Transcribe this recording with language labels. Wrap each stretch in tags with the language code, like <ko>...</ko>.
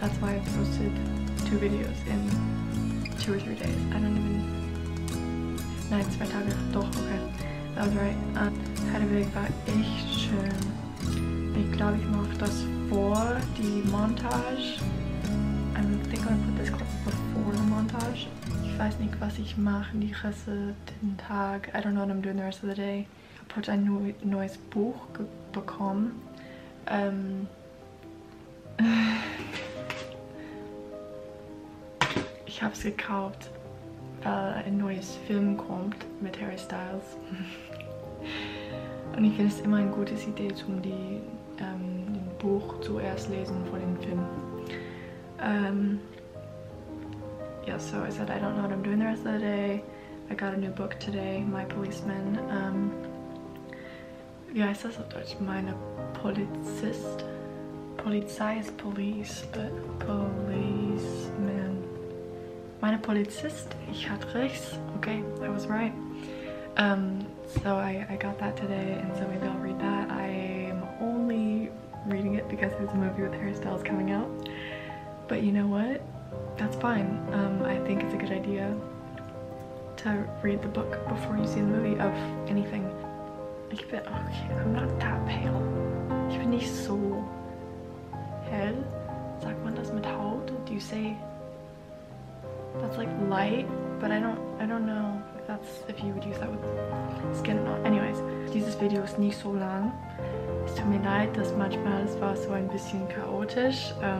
<en>That's why I posted two videos in two or three days. I don't even.</en> <de>Nein, zwei Tage. Doch, okay.</de> <en>That was right.</en> <de>Heidelberg war echt schön. Ich glaube, ich mache das vor die Montage.</de> <en>I think I'll put this clip before the montage.</en> <de>Ich weiß nicht, was ich mache die Reste den Tag.</de> <en>I don't know what I'm doing the rest of the day.</en> <de>Ich habe heute ein neues Buch bekommen. Ich habe es gekauft, weil ein neues Film kommt mit Harry Styles. Und ich finde es immer eine gute Idee, um das Buch zuerst lesen vor dem Film.</de> <en>Yeah, so I said I don't know what I'm doing the rest of the day. I got a new book today, My Policeman.</en> <de>Wie heißt das auf Deutsch? Meine Polizist? Polizei ist Police, but Policeman. Meine Polizist? Ich hatte recht.</de> <en>Okay, I was right. So I got that today, and so maybe I'll read that. I'm only reading it because there's a movie with Harry Styles coming out. But you know what? That's fine. I think it's a good idea to read the book before you see the movie of anything.</en> <de>Ich bin, okay,</de> <en>I'm not that pale.</en> <de>Ich bin nicht so hell. Sagt man das mit Haut?</de> <en>Do you say that's like light? But I don't know if that's if you would use that with skin or not.</en> <de>Anyways, dieses Video ist nicht so lang. Es tut mir leid, dass manchmal es war so ein bisschen chaotisch.</de>